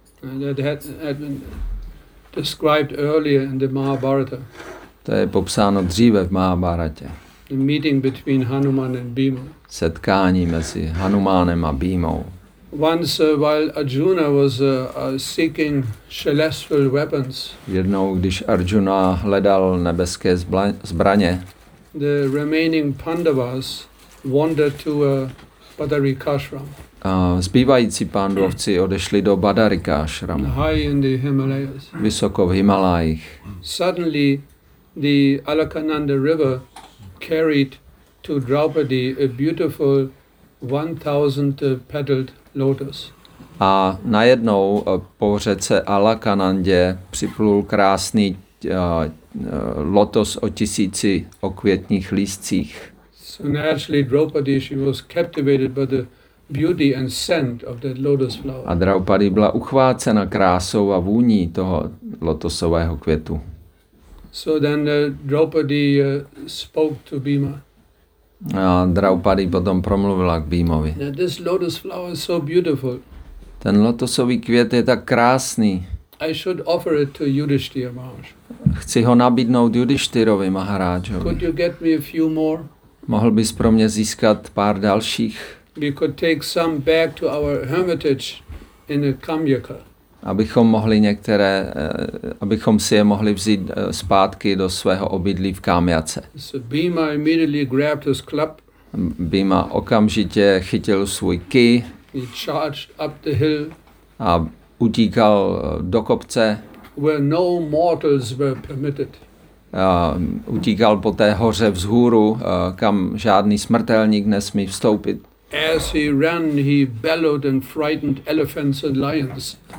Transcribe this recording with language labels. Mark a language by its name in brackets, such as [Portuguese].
[English] that had been described earlier in the Mahabharata. [Czech] To je popsáno dříve v Mahabharatě. [English] The meeting between Hanuman and Bhima. [Czech] Setkání mezi Hanumánem a Bhímou. [English] Once while Arjuna was seeking celestial weapons. [Czech] Jednou, když Arjuna hledal nebeské zbraně. [English] The remaining Pandavas wandered to a Badarika ashram. [Czech] Zbývající Pandovci odešli do Badarika ashram. [English] High in the Himalayas. [Czech] Vysoko v Himalajích. [English] Suddenly the Alaknanda river carried to Draupadi a beautiful 1000 petaled lotus. [Czech] A najednou po řece Alaknandě připlul krásný lotos o tisíci okvětních lístcích. [English] So naturally Draupadi, she was captivated by the beauty and scent of that lotus flower. [Czech] A Draupadi byla uchvácena krásou a vůní toho lotosového květu. [English] So then Draupadi spoke to Bhima. [Czech] A Draupadi potom promluvila k Bhimovi. [English] This lotus flower is so beautiful. [Czech] Ten lotosový květ je tak krásný. [English] I should offer it to Yudhishthira Maharaj. [Czech] Chci ho nabídnout Yudhishthirovi Maharajovi. [English] Could you get me a few more? [Czech] Mohl bys pro mě získat pár dalších? [English] We could take some back to our hermitage in a Kamyaka. [Czech] Abychom mohli některé, abychom si je mohli vzít zpátky do svého obydlí v Kámjace. [English] So Bhima immediately grabbed his club. [Czech] Bhima okamžitě chytil svůj ký. [English] He charged up the hill. [Czech] A utíkal do kopce. [English] Where no mortals were permitted. [Czech] Utíkal po té hoře vzhůru, kam žádný smrtelník nesmí vstoupit. [English] As he ran, he bellowed and frightened elephants and lions.